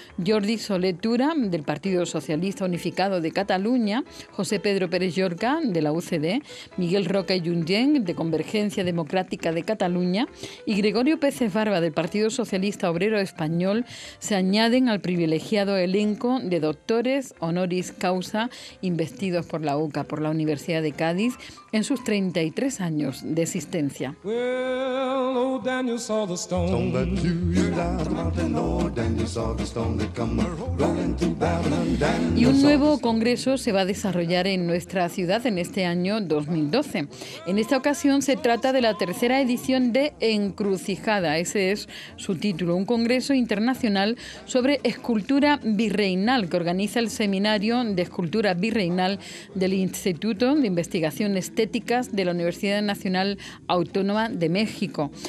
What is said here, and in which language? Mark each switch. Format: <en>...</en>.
<es>Jordi Soletura, del Partido Socialista Unificado de Cataluña, José Pedro Pérez Llorca, de la UCD, Miguel Roca y Junyent, de Convergencia Democrática de Cataluña, y Gregorio Peces Barba, del Partido Socialista Obrero Español, se añaden al privilegiado elenco de doctores honoris causa investidos por la UCA, por la Universidad de Cádiz, en sus 33 años de existencia.</es> <en>Well, old Daniel saw the stone that threw you down the mountain. Old Daniel saw the stone that come rolling to Babylon.</en> <es>Y un nuevo congreso se va a desarrollar en nuestra ciudad en este año 2012. En esta ocasión se trata de la tercera edición de Encrucijada, ese es su título, un congreso internacional sobre escultura virreinal que organiza el Seminario de Escultura Virreinal del Instituto de Investigaciones Estéticas de la Universidad Nacional Autónoma de México.</es>